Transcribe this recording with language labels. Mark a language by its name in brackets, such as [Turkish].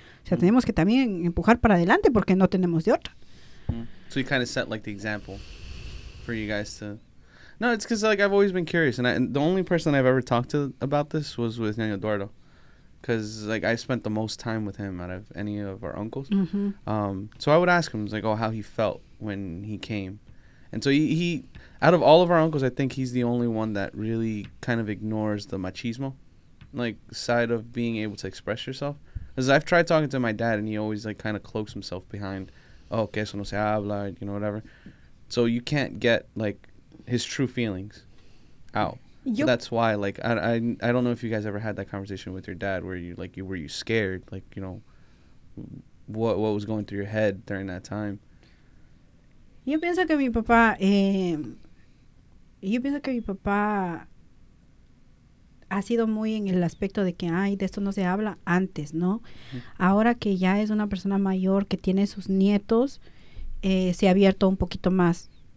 [Spanish] O sea, tenemos que también empujar para adelante porque no tenemos de otra. [English] So you kind of set, like, the example for you guys to... No, it's because, like, I've always been curious. And the only person I've ever talked to about this was with Nino Eduardo. Because, like, I spent the most time with him out of any of our uncles. Mm-hmm. So I would ask him, like, how he felt when he came. And so he, out of all of our uncles, I think he's the only one that really kind of ignores the machismo, like, side of being able to express yourself. Because I've tried talking to my dad, and he always, like, kind of cloaks himself behind, [Spanish] oh, que eso no se habla, [English] you know, whatever. So you can't get, like... his true feelings out. Yep. That's why, like, I don't know if you guys ever had that conversation with your dad where you, like, were you scared? Like, you know, what was going through your head during that time? [Spanish] Yo pienso que mi papá, ha sido muy en el aspecto de que, ay, de esto no se habla antes, ¿no? Mm-hmm. Ahora que ya es una persona mayor, que tiene sus nietos, se ha abierto un poquito más.